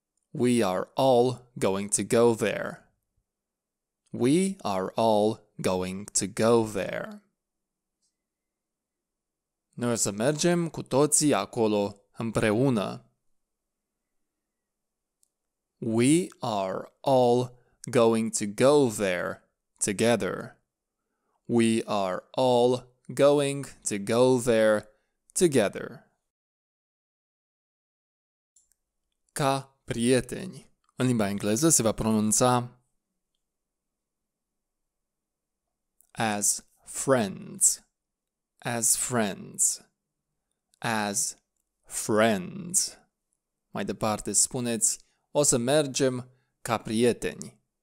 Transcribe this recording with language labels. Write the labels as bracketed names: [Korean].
[English] We are all going to go there. We are all going to go there. [Romanian] Noi o să mergem cu toții acolo împreună. [English] We are all going to go there together. We are all going to go there together. [Romanian] Ca prieteni. În limba engleză se va pronunța [English] as friends. As friends. As friends. [Romanian] Mai departe spuneți, o să mergem ca prieteni.